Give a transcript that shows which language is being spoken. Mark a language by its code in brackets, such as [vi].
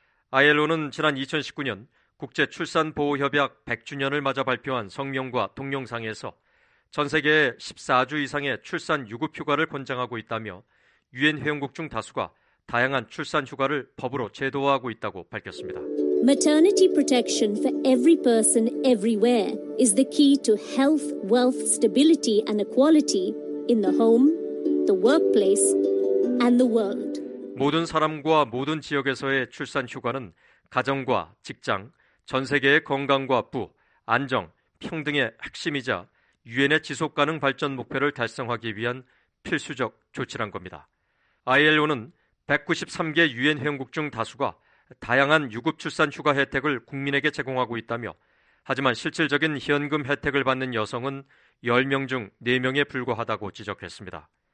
[ko] ILO는 지난 2019년 국제출산보호협약 100주년을 맞아 발표한 성명과 동영상에서 전 세계에 14주 이상의 출산 유급휴가를 권장하고 있다며 유엔 회원국 중 다수가 다양한 출산휴가를 법으로 제도화하고 있다고 밝혔습니다. [en] Maternity protection for every person everywhere is the key to health, wealth, stability and equality in the home, the workplace and the world. [ko] 모든 사람과 모든 지역에서의 출산 휴가는 가정과 직장, 전 세계의 건강과 부, 안정, 평등의 핵심이자 유엔의 지속 가능 발전 목표를 달성하기 위한 필수적 조치란 겁니다. ILO는 193개 유엔 회원국 중 다수가 다양한 유급 출산 휴가 혜택을 국민에게 제공하고 있다며 하지만 실질적인 현금 혜택을 받는 여성은 10명 중 4명에 불과하다고 지적했습니다.